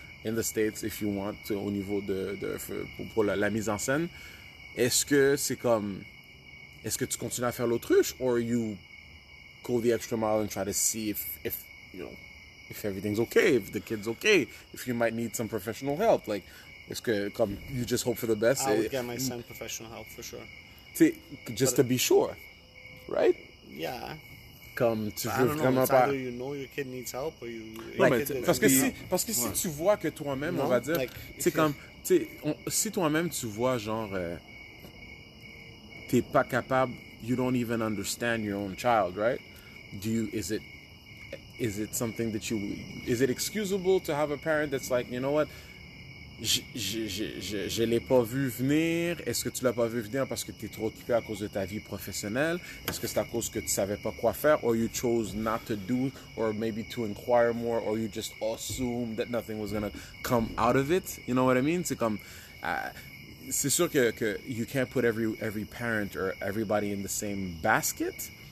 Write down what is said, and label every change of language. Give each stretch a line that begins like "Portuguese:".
English: In the States, if you want,
French: au niveau pour la mise en scène, est-ce que c'est comme, est-ce que tu continues à faire l'autruche,
English: or you go the extra mile and try to see if you know, if everything's okay, if the kid's okay, if you might need some professional help, like,
French: est-ce que comme
English: you just hope for the best? I would get my son professional help for sure. To be sure, right? Yeah.
French: Comme tu veux vraiment pas.
English: Either you know your kid needs help or you.
French: Non, mais parce que si tu vois que toi-même,
English: no,
French: on va dire.
English: Like,
French: c'est comme. Si toi-même tu vois genre. t'es pas capable,
English: you don't even understand your own child, right? Do you, is it something that you, is it excusable to have a parent that's like, you know what,
French: je l'ai pas vu venir, est-ce que tu l'as pas vu venir parce que t'es trop occupé à cause de ta vie professionnelle, est-ce que c'est à cause que tu savais pas quoi faire,
English: or you chose not to do, or maybe to inquire more, or you just assumed that nothing was gonna come out of it, you know what I mean?
French: C'est comme, c'est sûr que
English: you can't put every parent or everybody in the same basket.